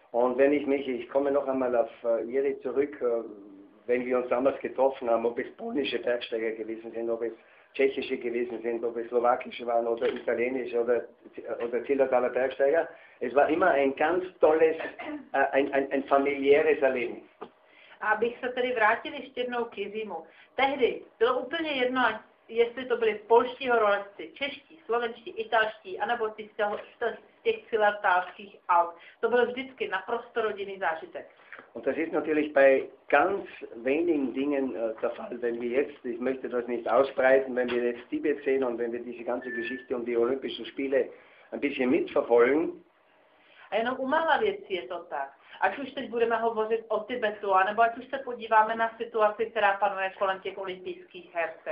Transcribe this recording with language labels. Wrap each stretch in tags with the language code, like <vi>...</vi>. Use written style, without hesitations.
<de>Und wenn ich komme noch einmal auf Jere zurück, wenn wir uns damals getroffen haben, ob es polnische Bergsteiger gewesen sind, ob es tschechische gewesen sind, ob es slowakische waren oder italienische oder Zillertaler Bergsteiger. Es war immer ein ganz tolles, ein familiäres Erleben.</de> <cs>Abych se tedy vrátil ještě jednou k Jiřímu. Tehdy bylo úplně jedno, jestli to byli polští horolezci, čeští, slovenští, italští, anebo ty z těch Zillertalských Alp. To byl vždycky naprosto rodinný zážitek.</cs> <de>Und das ist natürlich bei ganz wenigen Dingen der Fall, wenn wir jetzt, ich möchte das nicht ausbreiten, wenn wir jetzt Tibet sehen und wenn wir diese ganze Geschichte um die Olympischen Spiele ein bisschen mitverfolgen.</de> <cs>A jenom u mála věcí je to tak. Ať už teď budeme hovořit o Tibetu, anebo ať už se podíváme na situaci, která panuje kolem těch olympijských her.</cs>